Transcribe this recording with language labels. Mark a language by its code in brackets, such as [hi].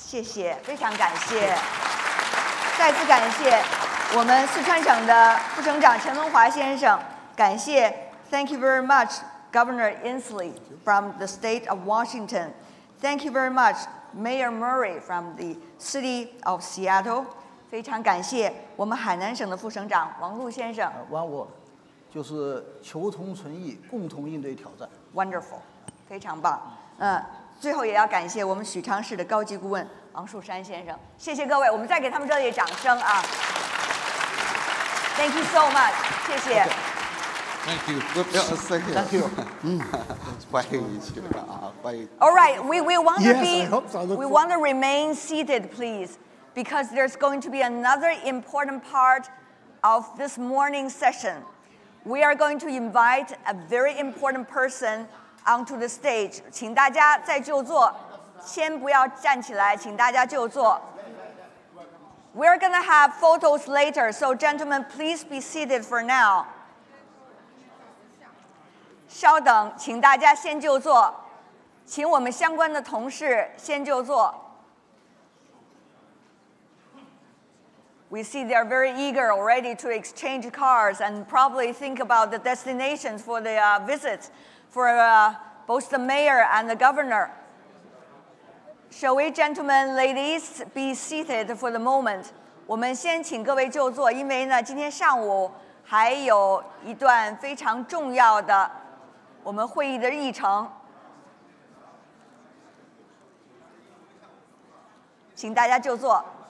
[zh] 谢谢，非常感谢。再次感谢我们四川省的副省长陈文华先生。感谢 [en] ，Thank you very much, Governor Inslee from the state of Washington. Thank you very much, Mayor Murray from the city of Seattle. [zh] 非常感谢我们海南省的副省长王璐先生。王璐，就是求同存异，共同应对挑战。 [en] Wonderful， [zh] 非常棒。最后也要感谢我们许昌市的高级顾问王树山先生。谢谢各位，我们再给他们热烈掌声啊 ！ [en] Thank you so much， [zh] 谢谢。 [en] Okay. Thank you. Thank you. Thank you. [zh] 欢迎你去了啊，欢迎。 [en] All right, we want to be yes, I hope so. We want to remain seated, please. Because there's going to be another important part of this morning session. We are going to invite a very important person onto the stage. [zh] 请大家再就坐，先不要站起来，请大家就坐。 [en] We're going to have photos later, so gentlemen, please be seated for now. [zh] 稍等，请大家先就坐，请我们相关的同事先就坐。 [en] We see they are very eager already to exchange cards and probably think about the destinations for the visits for both the mayor and the governor. Shall we, gentlemen, ladies, be seated for the moment? [zh] 我们先请各位就坐，因为呢，今天上午还有一段非常重要的我们会议的议程，请大家就坐。